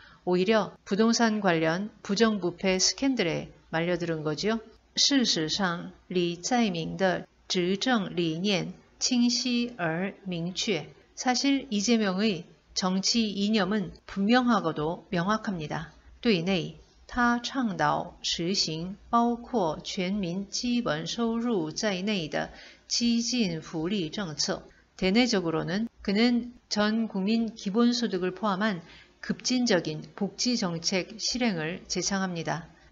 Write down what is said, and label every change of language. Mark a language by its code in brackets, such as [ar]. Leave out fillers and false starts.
[ko] 오히려 부동산 관련 부정부패 스캔들에 말려들은 거죠. [zh] 事实上, 李在明的执政理念清晰而明确. [ko] 사실 이재명의 정치 이념은 분명하고도 명확합니다. [zh] 对内, 他倡导实行包括全民基本收入在内的激进福利政策. [ko] 대내적으로는 그는 전 국민 기본소득을 포함한 급진적인 복지 정책 실행을 제창합니다.